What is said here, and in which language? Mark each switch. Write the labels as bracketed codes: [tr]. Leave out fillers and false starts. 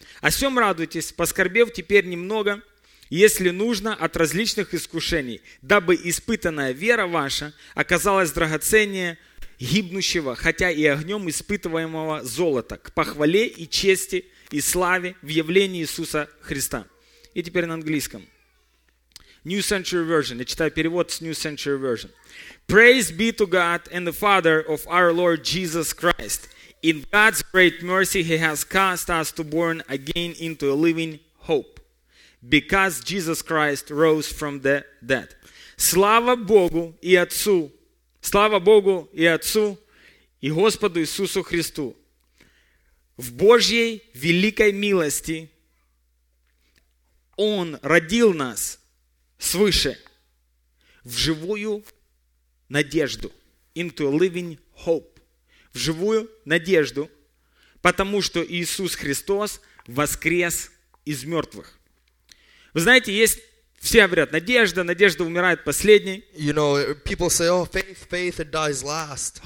[ru] О сем радуйтесь, поскорбев теперь немного, если нужно, от различных искушений, дабы испытанная вера ваша оказалась драгоценнее гибнущего, хотя и огнем испытываемого золота, к похвале и чести и славе в явлении Иисуса Христа. И теперь на английском. New Century Version. Я читаю перевод с New Century Version. [en] Praise be to God and the Father of our Lord Jesus Christ. In God's great mercy, He has caused us to born again into a living hope, because Jesus Christ rose from the dead. [ru] Слава Богу и Отцу и Господу Иисусу Христу. В Божьей великой милости Он родил нас свыше в живую надежду. [en] Into a living hope. [ru] В живую надежду, потому что Иисус Христос воскрес из мертвых. Вы знаете, есть, все говорят, надежда умирает последней. [en] You know, people say, oh, faith it dies last.